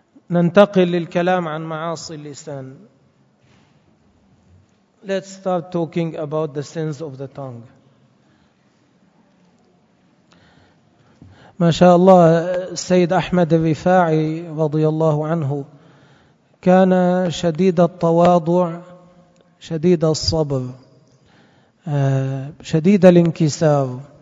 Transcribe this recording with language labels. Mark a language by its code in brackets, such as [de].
[ar] ننتقل للكلام عن معاصي اللسان. [en] Let's start talking about the sins of the tongue. [ar] MashaAllah, Sayyid Ahmad al-Rifa'i رضي الله عنه كان شديد التواضع شديد الصبر شديد الانكسار.